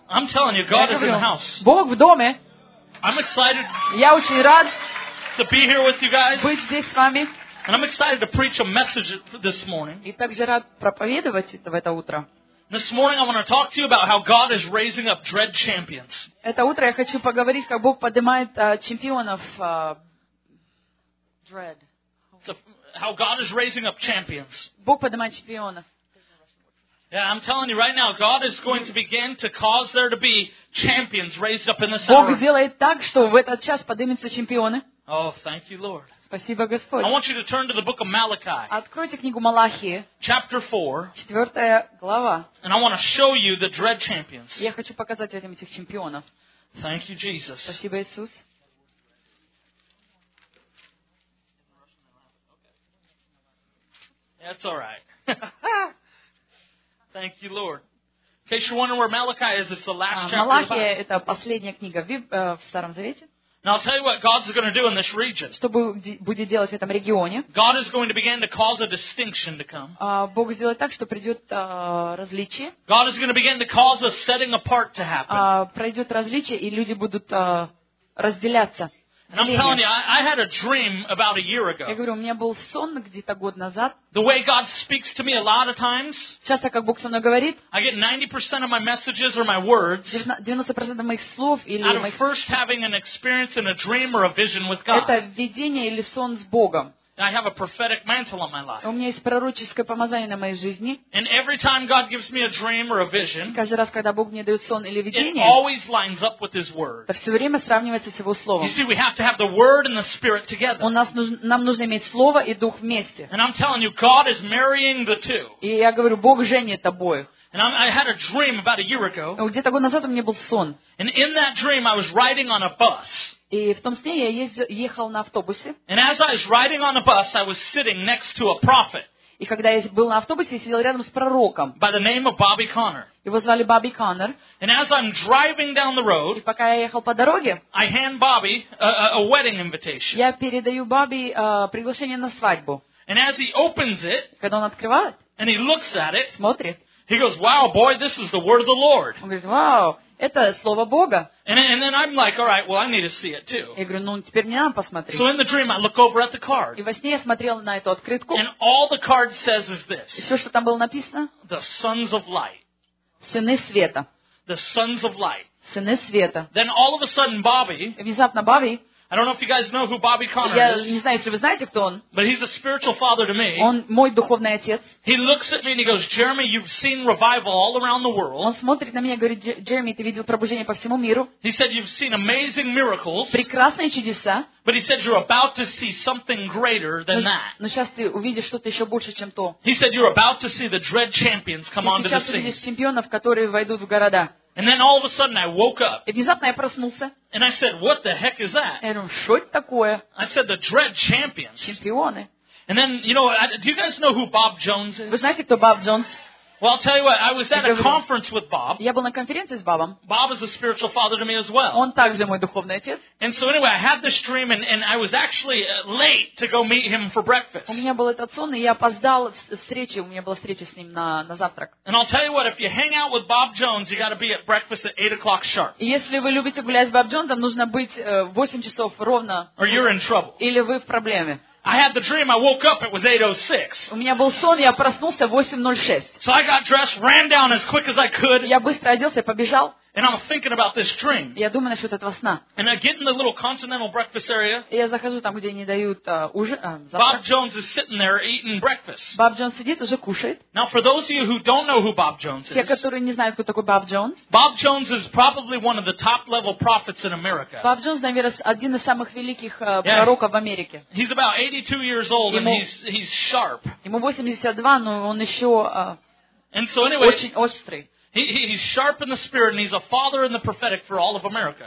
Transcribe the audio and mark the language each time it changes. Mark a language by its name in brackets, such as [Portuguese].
[English] I'm telling you, God is in the house. [Russian] Бог в доме. [English] I'm excited. [Russian] Я очень рад. [English] To be here with you guys. [Russian] Быть здесь с вами. [English] And I'm excited to preach a message this morning. [Russian] И также рад проповедовать это в это утро. [English] This morning I want to talk to you about how God is raising up dread champions. [Russian] Это утро я хочу поговорить, как Бог поднимает чемпионов. [English] Dread. So, how God is raising up champions. [Russian] Бог поднимает чемпионов. [English] Yeah, I'm telling you right now, God is going to begin to cause there to be champions raised up in this hour. [Russian] Бог сделает так, что в этот час поднимутся чемпионы. [English] Oh, thank you, Lord. [Russian] Спасибо, Господь. [English] I want you to turn to the book of Malachi. [Russian] Откройте книгу Малахии. [English] Chapter 4. [Russian] Четвертая глава. [English] And I want to show you the dread champions. [Russian] Я хочу показать вам этих чемпионов. [English] Thank you, Jesus. [Russian] Спасибо, Иисус. [English] That's all right. Thank you, Lord. In case you're wondering where Malachi is, it's the last chapter. [Russian] Малахия – это последняя книга в Старом Завете. [English] Now I'll tell you what God is going to do in this region. [Russian] Что будет делать в этом регионе? [English] God is going to begin to cause a distinction to come. [Russian] Бог сделает так, что придет различие. [English] God is going to begin to cause a setting apart to happen. [Russian] Пройдет различие, и люди будут разделяться. [English] And I'm telling you, I had a dream about a year ago. [Russian] Я говорю, у меня был сон где-то год назад. [English] The way God speaks to me a lot of times. [Russian] Часто как Бог со мной говорит. [English] I get 90% of my messages or my words. [Russian] 90% моих слов или моих. [English] Out of first having an experience in a dream or a vision with God. [Russian] Это видение или сон с Богом. [English] I have a prophetic mantle on my life. [Russian] У меня есть пророческое помазание на моей жизни. [English] And every time God gives me a dream or a vision, [Russian] каждый раз, когда Бог мне дает сон или видение, [English] it always lines up with His word. [Russian] Это все время сравнивается с Его словом. [English] You see, we have to have the word and the spirit together. [Russian] У нас нам нужно иметь слово и дух вместе. [English] And I'm telling you, God is marrying the two. [Russian] И я говорю, Бог женит обоих. [English] And I had a dream about a year ago. [Russian] Где-то год назад у меня был сон. [English] And in that dream, I was riding on a bus. [Russian] И в том сне я ехал на автобусе. [English] And as I was riding on a bus, I was sitting next to a prophet. [Russian] И когда я был на автобусе, я сидел рядом с пророком. [English] By the name of Bobby Connor. [Russian] Его звали Бобби Коннор. [English] And as I'm driving down the road, [Russian] и пока я ехал по дороге, [English] I hand Bobby a wedding invitation. [Russian] Я передаю Бобби приглашение на свадьбу. [English] And as he opens it, [Russian] когда он открывает, [English] and he looks at it, [Russian] смотрит, [English] he goes, "Wow, boy, this is the word of the Lord." [Russian] Он говорит, "Вау." Это слово Бога. [English] And then I'm like, all right, well, I need to see it too. [Russian] Я говорю, ну теперь мне надо посмотреть. [English] So in the dream, I look over at the card. [Russian] И во сне я смотрел на эту открытку. [English] And all the card says is this. [Russian] И все, что там было написано. [English] The sons of light. [Russian] Сыны света. [English] The sons of light. [Russian] Сыны света. [English] Then all of a sudden, Bobby. [Russian] И внезапно Бобби. [English] I don't know if you guys know who Bobby Connor [Russian] я [English] is. [Russian] Я не знаю, если вы знаете, кто он. [English] But he's a spiritual father to me. [Russian] Он мой духовный отец. [English] He looks at me and he goes, "Jeremy, you've seen revival all around the world." [Russian] Он смотрит на меня и говорит, Джереми, ты видел пробуждение по всему миру. [English] He said, "You've seen amazing miracles." [Russian] Прекрасные чудеса. [English] But he said, "You're about to see something greater than that." [Russian] Но сейчас ты увидишь что-то еще больше, чем то. [English] He said, "You're about to see the dread champions come onto the scene." [Russian] Сейчас ты увидишь чемпионов, которые войдут в города. [English] And then all of a sudden I woke up. [Russian] И внезапно я проснулся. [English] And I said, "What the heck is that?" [Russian] Я думаю, что это такое? [English] I said, "The Dread Champions." [Russian] Чемпионы. [English] And then, you know, do you guys know who Bob Jones is? [Russian] Вы знаете, кто Боб Джонс? [English] Well, I'll tell you what, I was at a conference with Bob. [Russian] Я был на конференции с Бобом. [English] Bob is a spiritual father to me as well. [Russian] Он также мой духовный отец. [English] And so anyway, I had this dream and I was actually late to go meet him for breakfast. [Russian] У меня был этот сон, и я опоздал к встрече, у меня была встреча с ним на завтрак. [English] And I'll tell you what, if you hang out with Bob Jones, you got to be at breakfast at 8 o'clock sharp. [Russian] Если вы любите гулять с Боб Джонсом, нужно быть в 8 часов ровно. [English] Or you're in trouble. [Russian] Или вы в проблеме. [English] I had the dream. I woke up. It was 8:06. [Russian] У меня был сон. Я проснулся 8:06. [English] So I got dressed, ran down as quick as I could. [Russian] Я быстро оделся, побежал. [English] And I'm thinking about this dream. [Russian] Я думаю насчет этого сна. [English] And I get in the little continental breakfast area. [Russian] Я захожу там, где не дают завтрак. [English] Bob Jones is sitting there eating breakfast. [Russian] Bob Jones сидит уже кушает. [English] Now for those of you who don't know who Bob Jones is. [Russian] Те, которые не знают, кто такой Bob Jones. [English] Bob Jones is probably one of the top level prophets in America. [Russian] Bob Jones, наверное, один из самых великих пророков в Америке. [English] He's about 82 years old and he's sharp. [Russian] Ему 82, но он еще очень острый. [English] He's sharp in the spirit, and he's a father in the prophetic for all of America.